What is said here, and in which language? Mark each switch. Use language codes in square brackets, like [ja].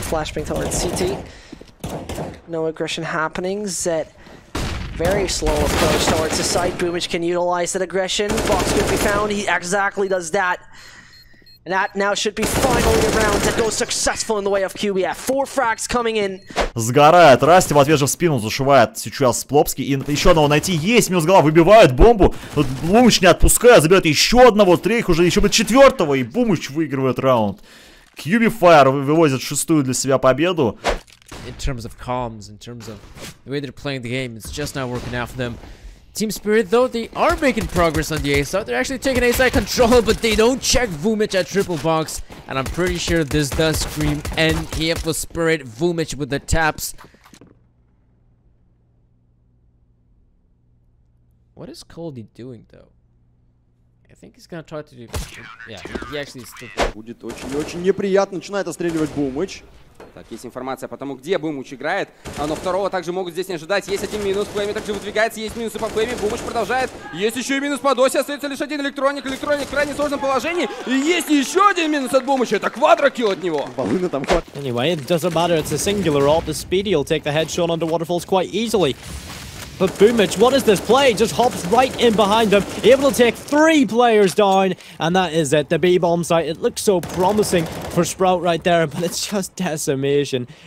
[en] Flashbang towards CT. No aggression happening. Zed. Very slow approach towards the site. Boomich can utilize that aggression. Box could be found. He exactly does that. And that now should be finally a round that goes successful in the way of QBF. Four frags coming in. [ru] Сгорает Расти, в ответ же в спину зашивает сейчас Плопский. И еще одного найти есть. Минус голова, выбивают бомбу. Вот Бумыч не отпускает, забирает еще одного, трех уже, еще бы четвертого. И Бумыч выигрывает раунд. QBFire вывозит шестую для себя победу. [en] In terms of comms, in terms of the way they're playing the game, it's just not working out for them. Team Spirit, though, they are making progress on the A side. They're actually taking A side control, but they don't check Vumic at triple box. And I'm pretty sure this does scream end here for Spirit. Vumic with the taps. What is Coldy doing, though? I think he's gonna try to do. Yeah, he actually is still. [ru] Будет очень очень неприятно. Начинает отстреливать Бумыч. Так, есть информация по тому, где Бумыч играет. Но второго также могут здесь не ожидать. Есть один минус. Флэйми также выдвигается. Есть минусы по Флэйми. Бумыч продолжает. Есть еще и минус по Досе. Остается лишь один электроник. Электроник в крайне сложном положении. И есть еще один минус от Бумыча. Это квадрокилл от него. Балуна там хватит. [en] Anyway, it doesn't matter. It's a singular ult. The speedy will take the headshot under waterfalls quite easily. But Bumic, what is this play? Just hops right in behind them, able to take three players down, and that is it. The B-bomb site, it looks so promising for Sprout right there, but it's just decimation.